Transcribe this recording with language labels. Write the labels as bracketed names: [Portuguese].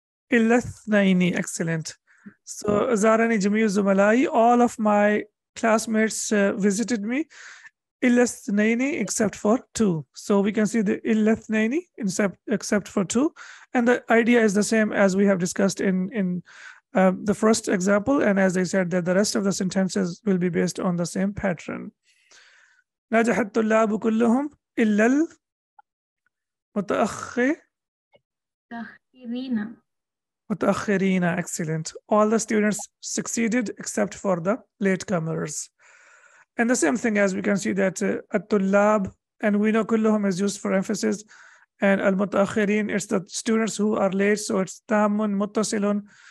[English] Illa thnaini, excellent. So [Arabic] zarani jami'u zumala'i, [English] all of my classmates visited me. [Arabic] Illa thnaini [English] except for two. So we can see the illa thnaini except for two. And the idea is the same as we have discussed in the first example, and as I said, that the rest of the sentences will be based on the same pattern. [Arabic] نجح الطلاب كلهم إلا المتأخرين. [English] متأخرين, excellent. All the students succeeded except for the latecomers. And the same thing as we can see that الطلاب, and we know كلهم is used for emphasis, and المتأخرين, it's the students who are late, so it's [Arabic] تامون متصلون.